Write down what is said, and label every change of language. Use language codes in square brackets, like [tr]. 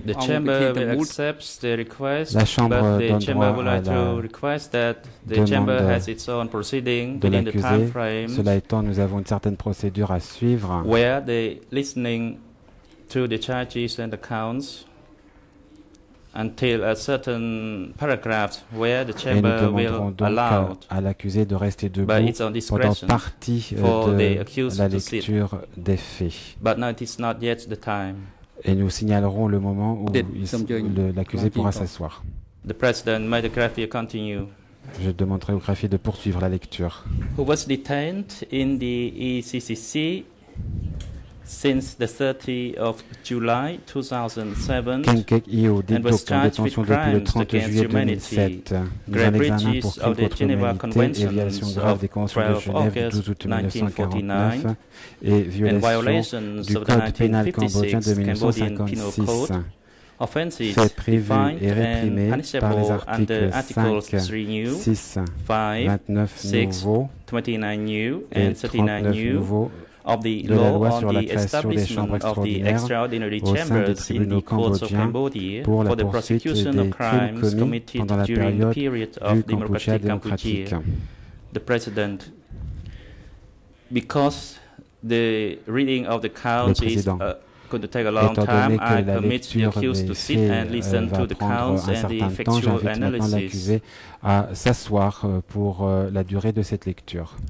[en] The chamber will accept the request, but the chamber would like to request that the chamber has its own proceeding within the time frame. [fr] Cela étant, nous avons une certaine procédure à suivre. [en] Where the listening to the charges and the counts until a certain paragraph where the chamber will allow [fr] à l'accusé de rester debout pendant partie de la lecture des faits. [en] But now it is not yet the time. [fr] Et nous signalerons le moment où l'accusé pourra s'asseoir. [en] The president, may the graphier continue. [fr] Je demanderai au graphier de poursuivre la lecture. [en] Who was detained in the ECCC since the 30th of July 2007 and was charged with crimes against humanity, grave breaches of the Geneva Conventions of 12 August 1949 and violations of the 1956 Cambodian Penal Code, offenses defined and punishable under Articles 3 New, 5, 6, 29 New and 39 New of the law on the establishment of the extraordinary chambers in the courts of Cambodia for the prosecution of crimes committed during the period of democratic Cambodia. The President, because the reading of the counts is could take a long time, I commit the accused to sit and listen to the counts and the factual analysis. [fr] À s'asseoir pour la durée de cette lecture.